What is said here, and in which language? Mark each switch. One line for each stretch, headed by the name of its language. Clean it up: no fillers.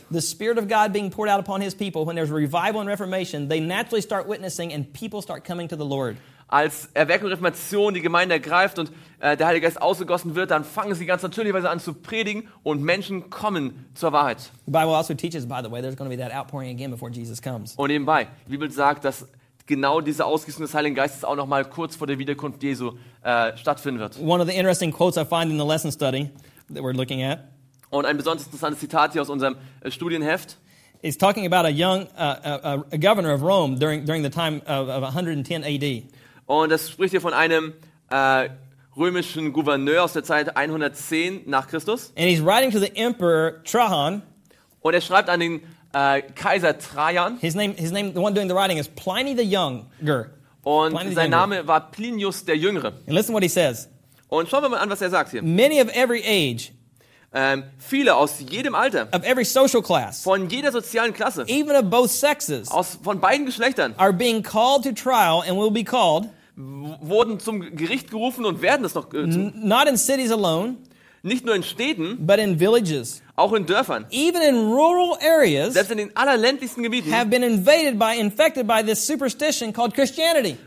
English: The Spirit of God being poured out upon his people, when there's revival and reformation, they naturally start witnessing and people start coming to the Lord.
German: Als Erweckung und Reformation die Gemeinde ergreift und der Heilige Geist ausgegossen wird, dann fangen sie ganz natürlicherweise an zu predigen und Menschen kommen zur Wahrheit.
English: The Bible also teaches, by the way, there's going to be that outpouring again before Jesus comes.
German: Und nebenbei, die Bibel sagt, dass genau diese Ausgießung des Heiligen Geistes auch noch mal kurz vor der Wiederkunft Jesu stattfinden wird.
English: One of the interesting quotes I find in the lesson study that we're looking at.
German: Und ein besonders interessantes Zitat hier aus unserem Studienheft.
English: It's talking about a young a governor of Rome during the time of 110 AD.
German: Und das spricht hier von einem römischen Gouverneur aus der Zeit 110 nach Christus.
English: And he's writing to the emperor Trajan.
German: Und er schreibt an den Kaiser Trajan.
English: His name, the one doing the writing is Pliny the Younger.
German: Und Pliny sein Name war Plinius der Jüngere.
English: And listen what he says.
German: Und schauen wir mal an, was er sagt hier.
English: Many of every age,
German: viele aus jedem Alter,
English: of every social class,
German: von jeder sozialen Klasse,
English: even of both sexes,
German: aus von beiden Geschlechtern,
English: are being called to trial and will be called,
German: wurden zum Gericht gerufen und werden es noch.
English: Not in cities alone.
German: Nicht nur in Städten,
English: but in villages,
German: auch in Dörfern,
English: even in rural areas,
German: selbst in den allerländlichsten Gebieten,
English: have been invaded by, infected by this superstition called Christianity.